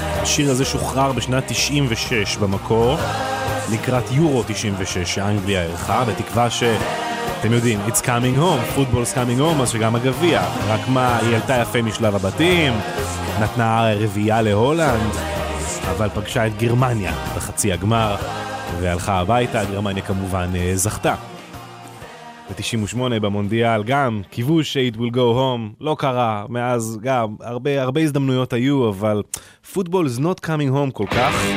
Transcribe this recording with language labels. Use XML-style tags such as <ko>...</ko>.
<he>השיר הזה שוחרר בשנת 96 במקור, לקראת יורו 96, שאנגליה ערכה, בתקווה ש... אתם יודעים,</he> <en>it's coming home, football's coming home,</en> <he>אז שגם הגביע. רק מה, היא עלתה יפה משלב הבתים, נתנה רביעה להולנד, אבל פגשה את גרמניה בחצי הגמר, והלכה הביתה, גרמניה כמובן זכתה. ב-98 במונדיאל גם כיבוש שאית</he> <en>will go home</en> <he>לא קרה מאז, גם הרבה הזדמנויות היו, אבל</he> <en>football is not coming home</en> <he>כל כך.</he>